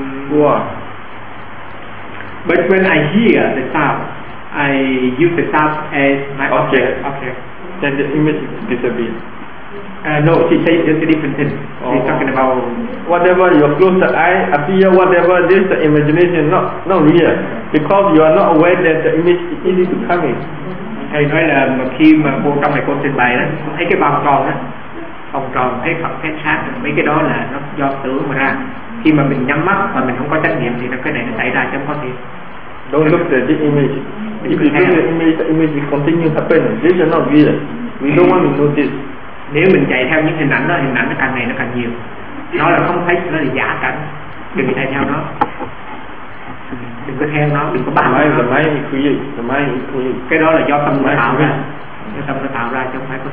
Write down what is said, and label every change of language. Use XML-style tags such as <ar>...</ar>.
<en>But when I hear the sound, I use the sound as my object. Then the image disappears. No, she said it's a different thing. She's talking about whatever you close the eye, appear whatever this the imagination, not real. Yeah. Because you are not aware that the image is easy to come in.</en> <vi>Thầy nói là khi mà cô trong này cô trình bày đó, cô thấy cái vòng tròn thấy Phật thấy sáng, mấy cái đó là nó do tưởng mà ra. Khi mà mình nhắm mắt mà mình không có trách nhiệm thì cái này nó xảy ra chứ không có gì.</vi> <en>Don't look at this image. If you look at the image will continue happen. This is not real. We don't want to know this.</en> <vi>Nếu mình chạy theo những hình ảnh đó, hình ảnh nó càng ngày nó càng nhiều. Nó là không thấy, nó là giả cảnh. Đừng chạy theo nó. Đừng có theo nó, đừng có bàn nó.</vi> <en>The mind is created.</en> <vi>Cái đó là do tâm nó tạo ra. Cái tâm nó tạo ra chứ không phải có.</vi>